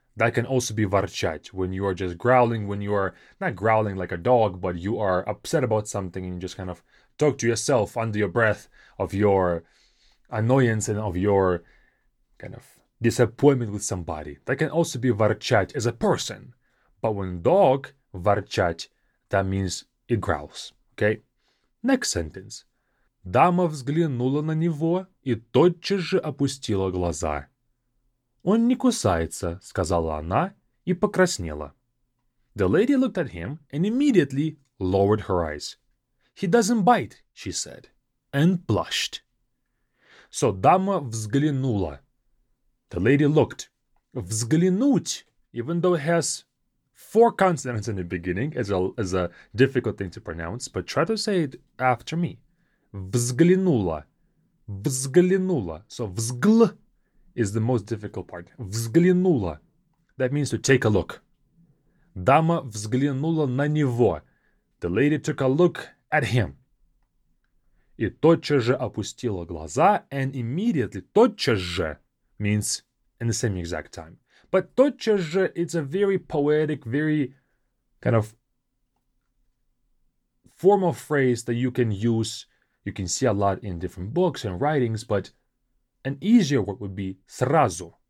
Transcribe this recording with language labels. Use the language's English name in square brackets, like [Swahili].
[English] That can also be ворчать, when you are just growling, when you are not growling like a dog, but you are upset about something and you just kind of talk to yourself under your breath of your annoyance and of your kind of disappointment with somebody. That can also be ворчать as a person. But when dog ворчать, that means it growls. Okay? Next sentence. [Russian] Дама взглянула на него и тотчас же опустила глаза. «Он не кусается», — сказала она и покраснела. [English] The lady looked at him and immediately lowered her eyes. «He doesn't bite», — she said, and blushed. [Russian] So дама взглянула. [English] The lady looked. Взглянуть, even though it has four consonants in the beginning, is a difficult thing to pronounce, but try to say it after me. [Russian] взглянула. Взглянула. [English] So взгл is the most difficult part. [Russian] Взглянула. [English] That means to take a look. [Russian] Дама взглянула на него. [English] The lady took a look at him. [Russian] И тотчас же опустила глаза. [English] And immediately, [Russian] тотчас же [English] means in the same exact time. But [Russian] тотчас же, [English] it's a very poetic, very kind of form of phrase that you can use. You can see a lot in different books and writings, but an easier word would be сразу.